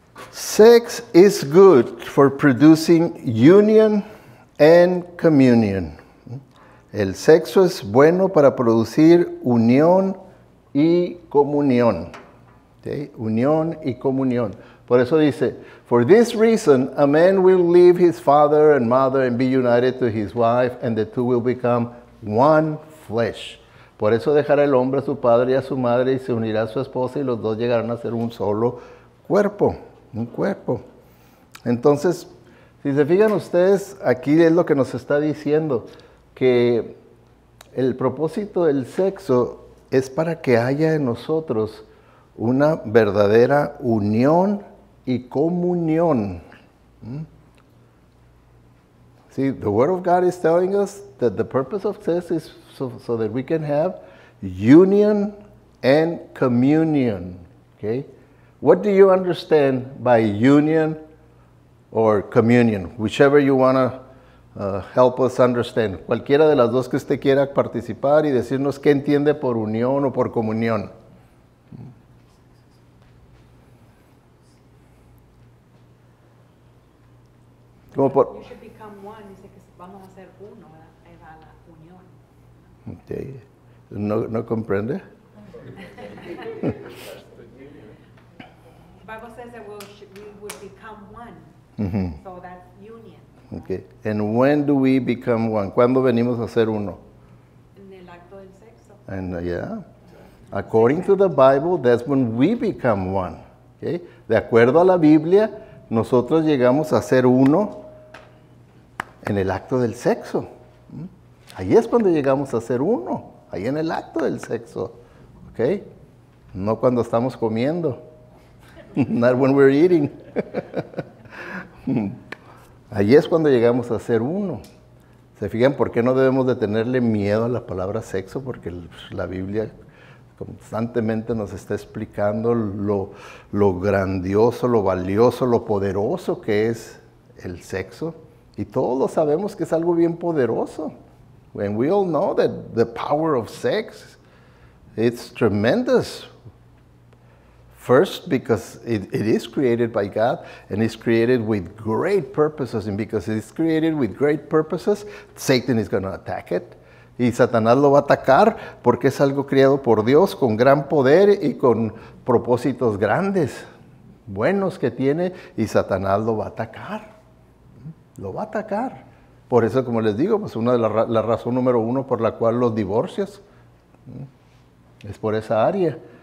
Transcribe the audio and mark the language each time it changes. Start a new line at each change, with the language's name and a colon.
English: Sex is good for producing union and communion.
Spanish: El sexo es bueno para producir unión y comunión. Okay? Unión y comunión. Por eso dice,
English: for this reason, a man will leave his father and mother and be united to his wife, and the two will become one flesh.
Spanish: Por eso dejará el hombre a su padre y a su madre y se unirá a su esposa y los dos llegarán a ser un solo cuerpo, un cuerpo. Entonces, si se fijan ustedes, aquí es lo que nos está diciendo, que el propósito del sexo es para que haya en nosotros una verdadera unión y comunión.
English: See, the Word of God is telling us that the purpose of sex is so that we can have union and communion. Okay? What do you understand by union or communion? Whichever you want to help us understand.
Spanish: Cualquiera de las dos que usted quiera participar y decirnos qué entiende por unión o por comunión. Como por,
English: you should become one,
Spanish: dice que vamos a ser uno, era la unión. Okay. No, no comprende.
English: The Bible says that we would become one. Mm-hmm. So that's union. Okay. And when do we become one?
Spanish: ¿Cuándo venimos a ser uno? En el acto del sexo.
English: And yeah. According to the Bible, that's when we become one. Okay?
Spanish: De acuerdo a la Biblia, nosotros llegamos a ser uno en el acto del sexo. Ahí es cuando llegamos a ser uno, ahí en el acto del sexo. ¿Ok? No cuando estamos comiendo.
English: Not when we're eating.
Spanish: Ahí es cuando llegamos a ser uno. ¿Se fijan por qué no debemos de tenerle miedo a la palabra sexo? Porque la Biblia constantemente nos está explicando lo grandioso, lo valioso, lo poderoso que es el sexo. Y todos lo sabemos que es algo bien poderoso.
English: And we all know that the power of sex, it's tremendous. First, because it is created by God and is created with great purposes. And because it is created with great purposes, Satan is going to attack it.
Spanish: Y Satanás lo va a atacar porque es algo creado por Dios con gran poder y con propósitos grandes, buenos que tiene, y Satanás lo va a atacar. Lo va a atacar. Por eso, como les digo, pues una de la razón número uno por la cual los divorcios es por esa área.